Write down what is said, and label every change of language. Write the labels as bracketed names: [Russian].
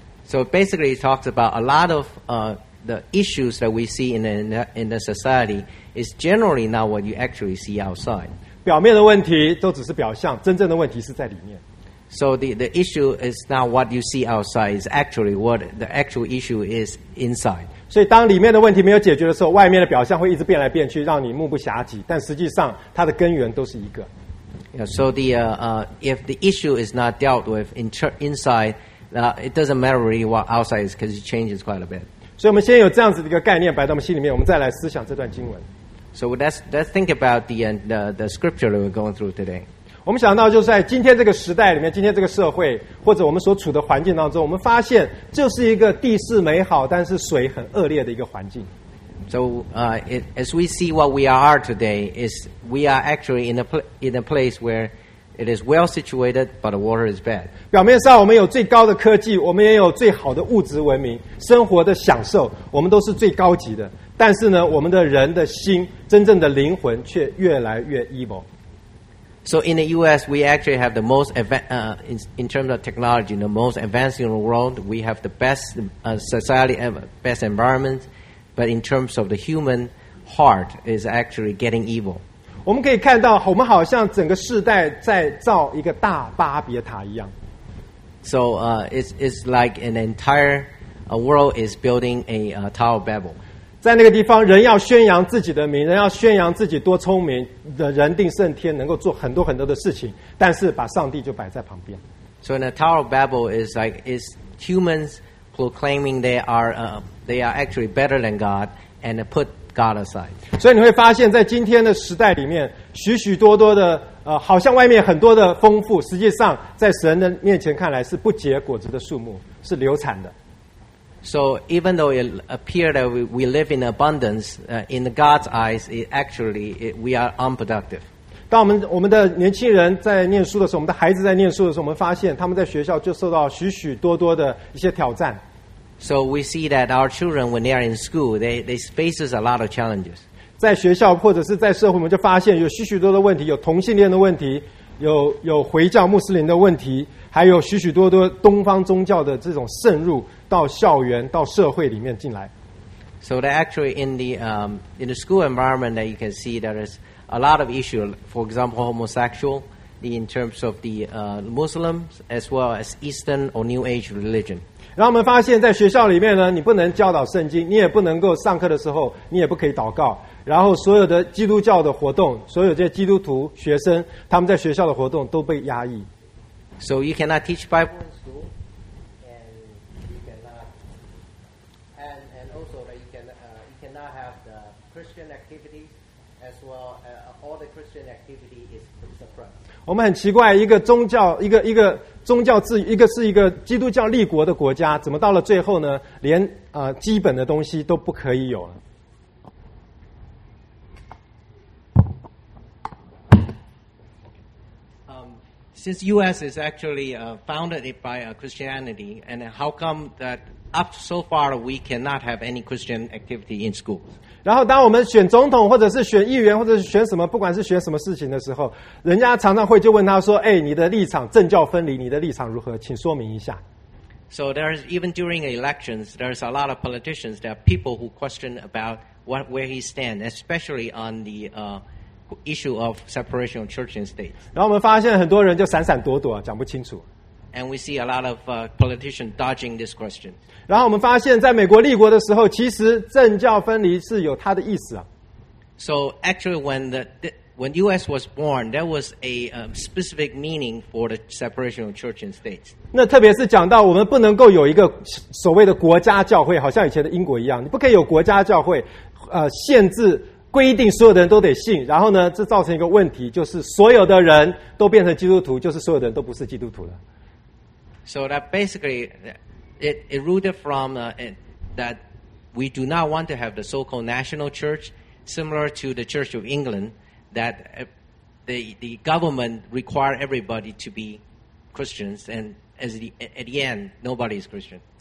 [English] So basically it talks about a lot of the issues that we see in the society is generally not what you actually see outside. [Chinese] 表面的问题都只是表象，真正的问题是在里面。 [English] So the issue is not what you see outside, it's actually what the actual issue is inside. [Chinese] 所以当里面的问题没有解决的时候，外面的表象会一直变来变去，让你目不暇接，但实际上它的根源都是一个。 [English] Yeah, so the if the issue is not dealt with inside, it doesn't matter really what outside is, because it changes quite a bit. [Chinese] 所以我们先有这样子的一个概念摆在我们心里面，我们再来思想这段经文。 [English] So let's think about the scripture that we're going through today. [Chinese] 我们想到就是在今天这个时代里面，今天这个社会或者我们所处的环境当中，我们发现就是一个地势美好但是水很恶劣的一个环境。 [English] So as we see what we are today is we are actually in a place where it is well situated but the water is bad. [Chinese] 表面上我们有最高的科技，我们也有最好的物质文明，生活的享受我们都是最高级的，但是呢我们的人的心真正的灵魂却越来越 [English] evil。 So in the U.S., we actually have the most in terms of technology, the most advanced in the world. We have the best society ever, best environment. But in terms of the human heart, is actually getting evil. [Chinese] 我们可以看到，我们好像整个世代在造一个大巴别塔一样。 [English] So it's like an entire world is building a Tower of Babel. [Chinese] 在那个地方人要宣扬自己的名，人要宣扬自己多聪明，人定胜天，能够做很多很多的事情，但是把上帝就摆在旁边。 [English] So in the Tower of Babel is humans proclaiming they are actually better than God and put God aside. [Chinese] 所以你会发现在今天的时代里面许许多多的好像外面很多的丰富，实际上在神的面前看来是不结果子的树木，是流产的。 [English] So even though it appears that we live in abundance, in God's eyes, it actually we are unproductive. [Chinese] 当我们的年轻人在念书的时候，我们的孩子在念书的时候，我们发现他们在学校就受到许许多多的一些挑战。 [English] So we see that our children, when they are in school, they face a lot of challenges. [Chinese] 在学校或者是在社会，我们就发现有许许多的问题，有同性恋的问题，有回教穆斯林的问题，还有许许多多东方宗教的这种渗入到校园、到社会里面进来。 [English] So that actually in the school environment, that you can see there is a lot of issue. For example, homosexual, in terms of the Muslims as well as Eastern or New Age religion. [Chinese] 然后我们发现在学校里面呢，你不能教导圣经，你也不能够上课的时候你也不可以祷告，然后所有的基督教的活动，所有这些基督徒学生他们在学校的活动都被压抑。 [English] So you cannot teach Bible in school, and you cannot have the Christian activities as well, all the Christian activity is suppressed. [Chinese] 我们很奇怪，一个宗教自由，一个是一个基督教立国的国家，怎么到了最后呢？连基本的东西都不可以有了。 [English] Since U.S. is actually founded by Christianity, and how come that up so far we cannot have any Christian activity in schools? [Chinese] 然后当我们选总统或者是选议员或者是选什么，不管是选什么事情的时候，人家常常会就问他说，哎，你的立场政教分离，你的立场如何，请说明一下。 [English] So there is even during elections there's a lot of politicians, there are people who question about what, where he stands, especially on the issue of separation of church and state. [Chinese] 然后我们发现很多人就闪闪躲躲，讲不清楚。 [English] And we see a lot of politicians dodging this question. [Chinese] 然后我们发现在美国立国的时候，其实政教分离是有它的意思啊。 [English] So actually when U.S. was born, there was a specific meaning for the separation of church and state. [Chinese] 那特别是讲到我们不能够有一个所谓的国家教会，好像以前的英国一样，你不可以有国家教会，限制规定所有的人都得信，然后呢，这造成一个问题，就是所有的人都变成基督徒，就是所有的人都不是基督徒了。 [English] So that basically, it rooted from that we do not want to have the so-called national church, similar to the Church of England, that the government require everybody to be Christians, and at the end, nobody is Christian.